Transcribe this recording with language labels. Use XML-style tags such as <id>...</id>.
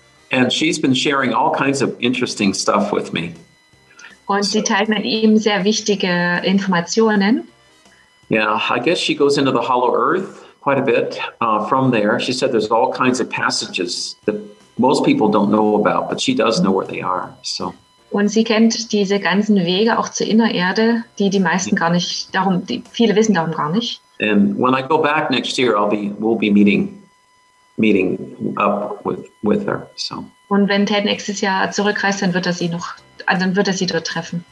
<en>And she's been sharing all kinds of interesting stuff with me.</en> <de>Und sie teilt mit ihm sehr wichtige Informationen.</de> <en>Yeah, I guess she goes into the hollow earth quite a bit from there. She said there's all kinds of passages that most people don't know about, but she does know where they are. So.</en> <de>Und sie kennt diese ganzen Wege auch zur Innererde, viele wissen darum gar nicht.</de> <en>And when I go back next year, we'll be meeting up with her. So.</en> <de>Und wenn Ted nächstes Jahr zurückreist, dann wird er sie dort treffen.</de>